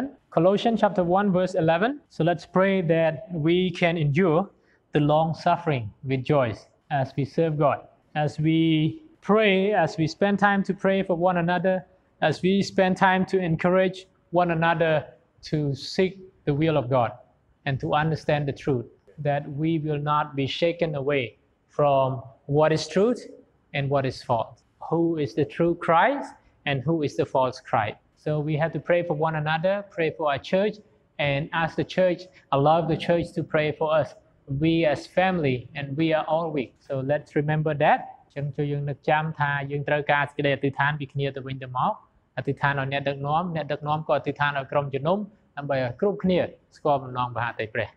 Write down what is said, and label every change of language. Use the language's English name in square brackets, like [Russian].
[English] Colossians chapter 1 verse 11 So let's pray that we can endure the long suffering with joy as we serve God as wePray as we spend time to pray for one another, as we spend time to encourage one another to seek the will of God and to understand the truth, that we will not be shaken away from what is truth and what is false. Who is the true Christ and who is the false Christ? So we have to pray for one another, pray for our church, and ask the church, allow the church to pray for us. We as family and we are all weak. So let's remember that. [Khmer] ចឹងជួយយើងនឹកចាំថាយើងត្រូវការសេចក្តីអធិដ្ឋានពីគ្នាទៅវិញទៅមកអធិដ្ឋានឲ្យអ្នកដឹកនាំអ្នកដឹកនាំក៏អធិដ្ឋានឲ្យក្រុមជំនុំដើម្បីឲ្យគ្រប់គ្នាស្គាល់បំណងព្រះអតីព្រះ